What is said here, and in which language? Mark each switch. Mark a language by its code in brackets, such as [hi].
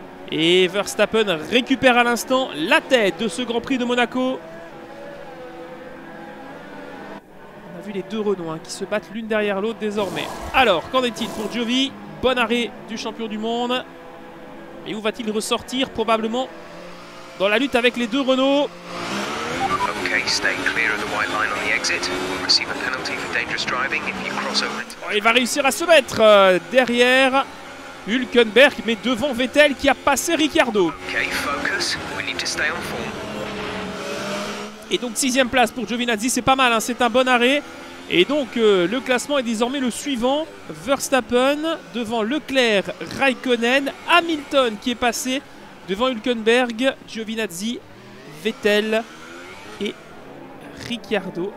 [fr] Et Verstappen récupère à l'instant la tête de ce Grand Prix de Monaco. On a vu les deux Renault hein, qui se battent l'une derrière l'autre désormais. Alors, qu'en est-il pour Giovi? Bon arrêt du champion du monde. Et où va-t-il ressortir? Probablement dans la lutte avec les deux Renault. [en] Okay, stay clear of the white line on the exit. We'll receive a penalty for dangerous driving if you cross over it. [fr] Oh, il va réussir à se mettre derrière Hülkenberg, mais devant Vettel qui a passé Ricciardo. [en] Okay, focus. We need to stay on form. [fr] Et donc sixième place pour Giovinazzi, c'est pas mal, hein, c'est un bon arrêt. Et donc le classement est désormais le suivant, Verstappen devant Leclerc, Raikkonen, Hamilton qui est passé devant Hülkenberg, Giovinazzi, Vettel et Ricciardo.